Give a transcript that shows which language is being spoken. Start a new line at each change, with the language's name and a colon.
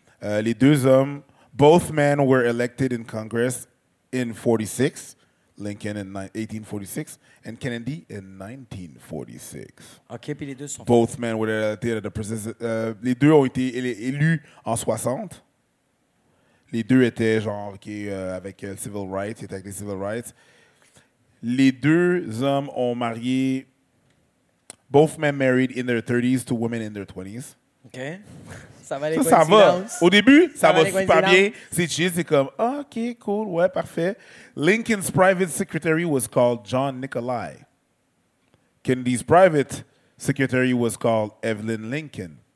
French: Les deux hommes,
English: both men were elected in Congress in 46. Lincoln in 1846 and Kennedy in 1946.
French: OK, puis les deux sont...
English: Both men were elected at the presidency.
French: Les deux ont été élus en 60. Les deux étaient genre okay, avec civil rights, étaient avec les civil rights. Les deux hommes ont marié...
English: Both men married in their 30s to women in their 20s.
French: OK. Ça va aller coïncidence. Au début, ça va super bien. C'est chill, c'est comme, OK, cool, ouais, parfait.
English: Lincoln's private secretary was called John Nicolai. Kennedy's private secretary was called Evelyn Lincoln.